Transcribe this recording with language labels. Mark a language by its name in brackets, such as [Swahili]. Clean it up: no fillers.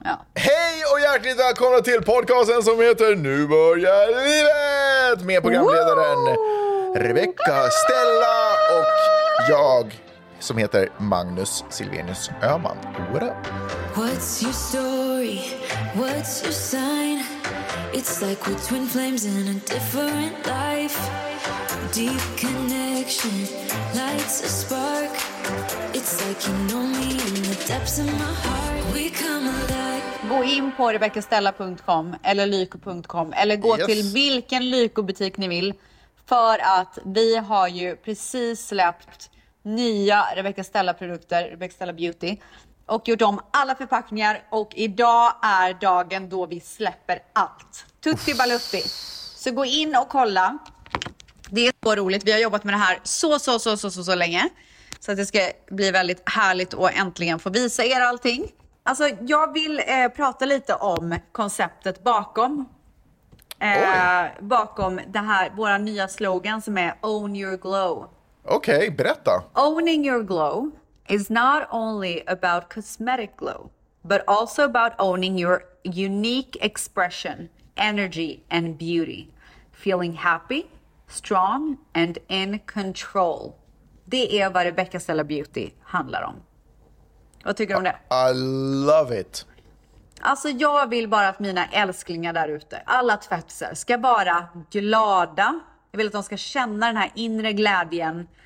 [Swedish] Ja. Hej och hjärtligt välkomna till podcasten som heter Nu börjar livet! Med programledaren Rebecca Stella och jag som heter Magnus Silvenius Öhman. [English] What up? What's your story? What's your sign? It's like we're twin flames in a different life. Deep connection, lights a spark. It's like you know me in the depths of my heart. We come alive. [Swedish] Gå in på RebeccaStella.com eller Lyko.com eller gå till vilken Lyko-butik ni vill, för att vi har ju precis släppt nya Rebecca Stella-produkter, Rebecca Stella Beauty, och gjort om alla förpackningar, och idag är dagen då vi släpper allt. Tutti baluppi. Så gå in och kolla. Det är så roligt. Vi har jobbat med det här så länge. Så att det ska bli väldigt härligt och äntligen få visa er allting. Alltså, jag vill prata lite om konceptet bakom. Bakom det här, våra nya slogan som är Own Your Glow. Okej, berätta. [English] Owning your glow is not only about cosmetic glow, but also about owning your unique expression, energy and beauty. Feeling happy, strong and in control. [Swedish] Det är vad Rebecca Stella Beauty handlar om. Vad tycker du om det? [English] I love it. [Swedish] Alltså, jag vill bara att mina älsklingar där ute, alla tvättisar, ska vara glada. Jag vill att de ska känna den här inre glädjen.